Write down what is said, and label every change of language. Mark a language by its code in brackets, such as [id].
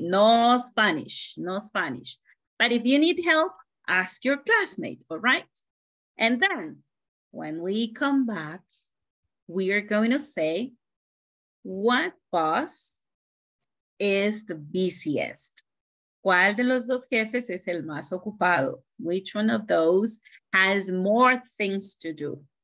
[en] No Spanish. But if you need help, ask your classmate, all right? And then when we come back, we are going to say, what boss is the busiest? [es] ¿Cuál de los dos jefes es el más ocupado? [en] Which one of those has more things to do?